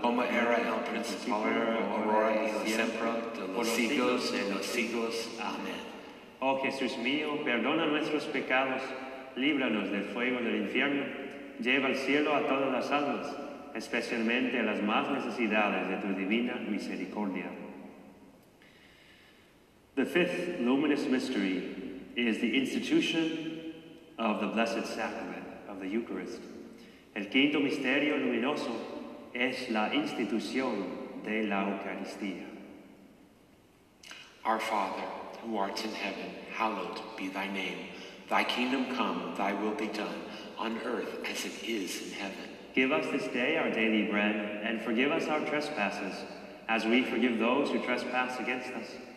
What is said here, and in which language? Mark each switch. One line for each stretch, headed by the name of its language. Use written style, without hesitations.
Spanish: Como era en el principio, ahora y siempre, de los siglos de los siglos. Amén. Oh Jesús mío, perdona nuestros pecados, líbranos del fuego del infierno, lleva al cielo a todas las almas, especialmente a las más necesidades de tu divina misericordia.
English: The fifth luminous mystery is the institution of the Blessed Sacrament of the Eucharist.
Spanish: El quinto misterio luminoso es la institución de la Eucaristía.
English: Our Father, who art in heaven, hallowed be thy name. Thy kingdom come, thy will be done, on earth as it is in heaven. Give us this day our daily bread, and forgive us our trespasses, as we forgive those who trespass against us.